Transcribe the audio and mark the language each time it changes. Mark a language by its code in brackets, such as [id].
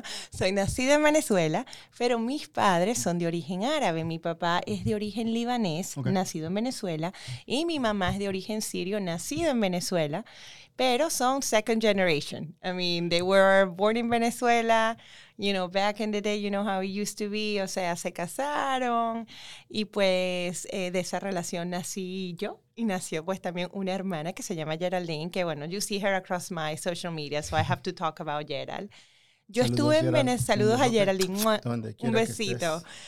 [es] Soy nacida en Venezuela, pero mis padres son de origen árabe. Mi papá es de origen libanés, nacido en Venezuela, y mi mamá es de origen sirio, nacido en Venezuela. Pero son [en] second generation. I mean, they were born in Venezuela, you know, back in the day, you know how it used to be. [es] O sea, se casaron y pues de esa relación nací yo. Y nació pues también una hermana que se llama Geraldine, que bueno, [en] you see her across my social media, so I have to talk about Gerald. [es] Saludos a Geraldine. Un besito.